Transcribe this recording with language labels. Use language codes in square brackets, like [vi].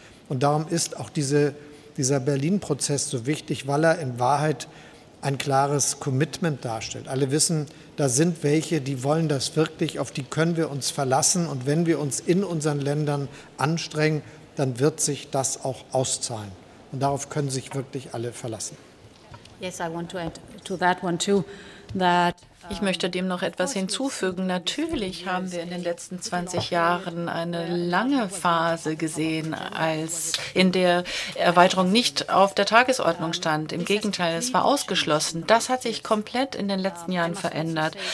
[de] Und darum ist auch dieser Berlin-Prozess so wichtig, weil er in Wahrheit ein klares Commitment darstellt. Alle wissen, da sind welche, die wollen das wirklich, auf die können wir uns verlassen. Und wenn wir uns in unseren Ländern anstrengen, dann wird sich das auch auszahlen. Und darauf können sich wirklich alle verlassen. [en] Yes, I want to add to that one too, that [de] ich möchte dem noch etwas hinzufügen. Natürlich haben wir in den letzten 20 Jahren eine lange Phase gesehen, als in der Erweiterung nicht auf der Tagesordnung stand. Im Gegenteil, es war ausgeschlossen. Das hat sich komplett in den letzten Jahren verändert.